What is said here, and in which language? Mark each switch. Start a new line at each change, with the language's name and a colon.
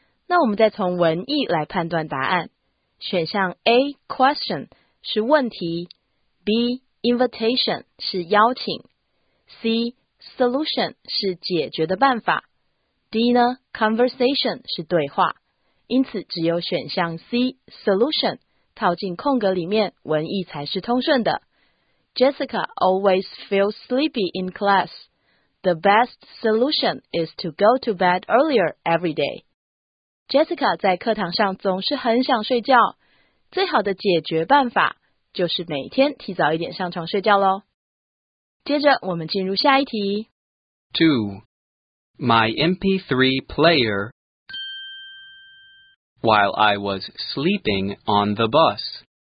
Chinese: 那我们再从文意来判断答案，选项 A question 是问题 ，B invitation 是邀请 ，C。 Solution 是解决的办法 ，D 呢 ？Conversation 是对话，因此只有选项 C solution 套进空格里面，文意才是通顺的。
English: Jessica always feels sleepy in class. The best solution is to go to bed earlier every day.
Chinese: Jessica 在课堂上总是很想睡觉，最好的解决办法就是每天提早一点上床睡觉喽。接着我们进入下一题。 2.
English: My MP3 player while I was sleeping on the bus.